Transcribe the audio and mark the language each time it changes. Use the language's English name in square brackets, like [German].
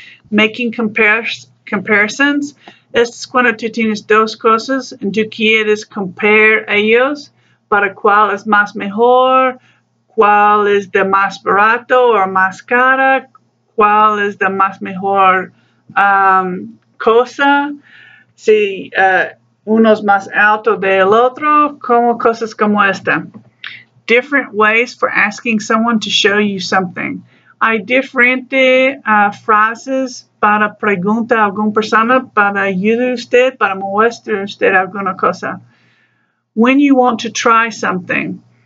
[English] Making comparisons, [Spanish] esto es cuando tú tienes dos cosas y tú quieres compare ellos para cuál es más mejor. ¿Cuál es de más barato o más cara? ¿Cuál es de más mejor cosa? Si uno es más alto del otro, como cosas como esta. [English] Different ways for asking someone to show you something. [Spanish] Hay diferentes frases para preguntar a alguna persona, para ayudar a usted, para mostrar a usted alguna cosa. [English] When you want to try something.